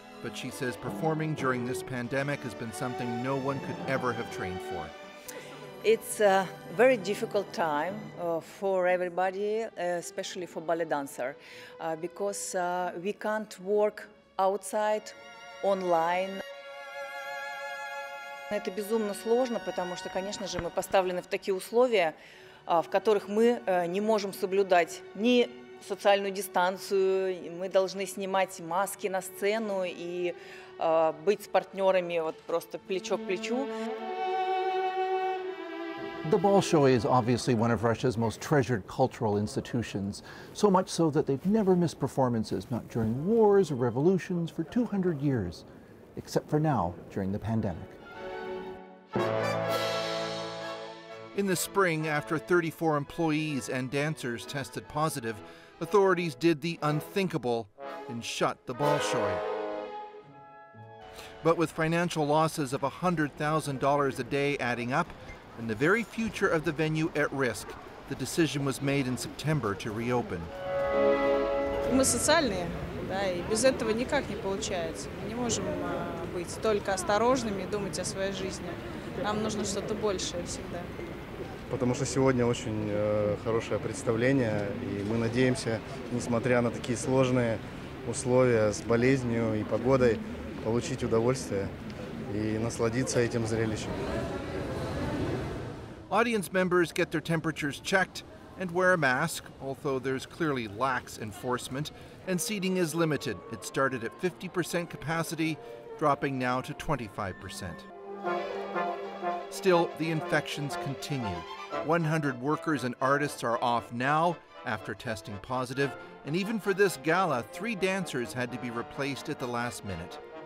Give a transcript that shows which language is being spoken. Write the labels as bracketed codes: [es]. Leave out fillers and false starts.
[en] But she says performing during this pandemic has been something no one could ever have trained for. It's a very difficult time for everybody, especially for ballet dancer, because we can't work outside, online. [ru] Это безумно сложно, потому что, конечно же, мы поставлены в такие условия, в которых мы не можем соблюдать ни социальную дистанцию, мы должны снимать маски на сцену и быть с партнерами вот просто плечо к плечу. [en] The Bolshoi is obviously one of Russia's most treasured cultural institutions, so much so that they've never missed performances, not during wars or revolutions, for 200 years, except for now, during the pandemic. In the spring, after 34 employees and dancers tested positive, authorities did the unthinkable and shut the Bolshoi. But with financial losses of $100,000 a day adding up, and the very future of the venue at risk, the decision was made in September to reopen. [ru] Мы социальные, да, и без этого никак не получается. Мы не можем быть только осторожными и думать о своей жизни. Нам нужно что-то большее всегда. Потому что сегодня очень хорошее представление, и мы надеемся, несмотря на такие сложные условия с болезнью и погодой, получить удовольствие и насладиться этим зрелищем. [en] Audience members get their temperatures checked and wear a mask, although there's clearly lax enforcement, and seating is limited. It started at 50% capacity, dropping now to 25%. Still, the infections continue. 100 workers and artists are off now after testing positive, and even for this gala, three dancers had to be replaced at the last minute.